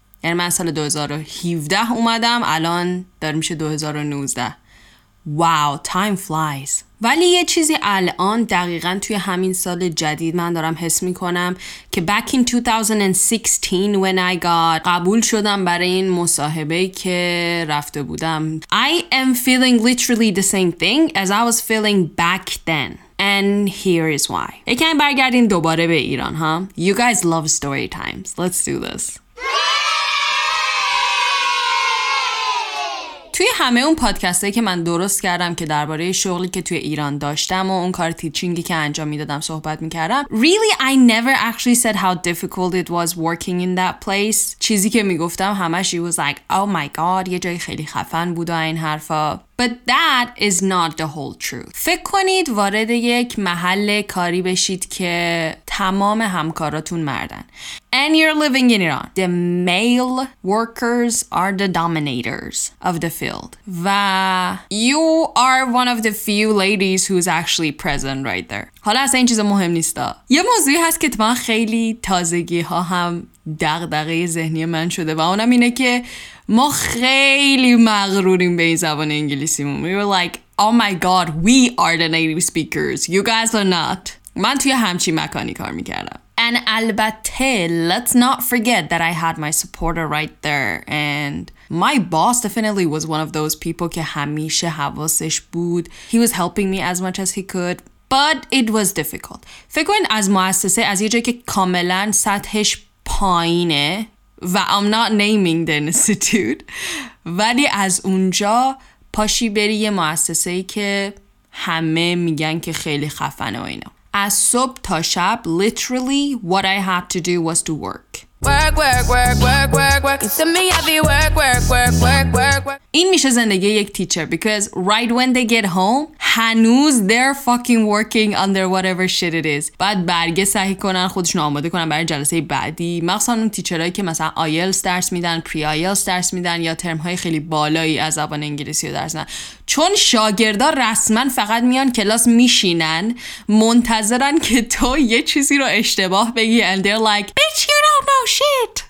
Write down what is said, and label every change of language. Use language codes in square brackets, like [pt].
[fa] یعنی من سال 2017 اومدم، الان داره میشه 2019. [en] Wow, time flies. [fa] ولی یه چیزی الان دقیقاً توی همین سال جدید من دارم حس میکنم که [en] back in 2016 when I got [fa] قبول شدم برای این مصاحبه که رفته بودم. [en] I am feeling literally the same thing as I was feeling back then. And here is why. [fa] یکی این برگردین دوباره به ایران ها. [en] You guys love story times. Let's do this. [fa] توی همه اون پادکستایی که من درست کردم که درباره شغلی که توی ایران داشتم و اون کار تیچینگی که انجام میدادم صحبت میکردم، [en] really I never actually said how difficult it was working in that place. [fa] چیزی که میگفتم همش [en] it was like oh my god، [fa] یه جای خیلی خفن بود و این حرفا. [en] But that is not the whole truth. [fa] فکر کنید وارد یک محل کاری بشید که تمام همکاراتون مردن. [en] And you're living in Iran. The male workers are the dominators of the field. و you are one of the few ladies who's actually present right there. [fa] حالا اصلا این چیز مهم نیستا. یه موضوعی هست که من خیلی تازگی ها هم دغدغه ذهنی من شده و اونم اینه که ما خیلی مغروریم به این زبان انگلیسیمون. [en] We were like, oh my god, we are the native speakers. You guys are not. [fa] من توی همچین مکانی کار میکردم. [en] And [fa] البته, [en] let's not forget that I had my supporter right there. And my boss definitely was one of those people [fa] که همیشه حواسش بود. [en] He was helping me as much as he could. But it was difficult. [fa] فکر کن از مؤسسه, از یه جایی که کاملا سطحش پایینه, و [en] I'm not naming the institute, [fa] ولی از اونجا پاشی بری یه مؤسسه‌ای که همه میگن که خیلی خفنه و اینا. از صبح تا شب [en] literally what I had to do was to work. [fa] این میشه زندگی یک تیچر, [en] because right when they get home [fa] هنوز [en] they're fucking working under whatever shit it is. [fa] بعد برگه صحیح کنن, خودشون آماده کنن برای جلسه بعدی. مخصوصا اون تیچرهایی که مثلا آیلتس درس میدن, پری آیلتس درس میدن یا ترمهای خیلی بالایی از زبان انگلیسی رو درس میدن, چون شاگردا رسما فقط میان کلاس میشینن منتظرن که تو یه چیزی رو اشتباه بگی [en] and they're like bitch you don't know shit.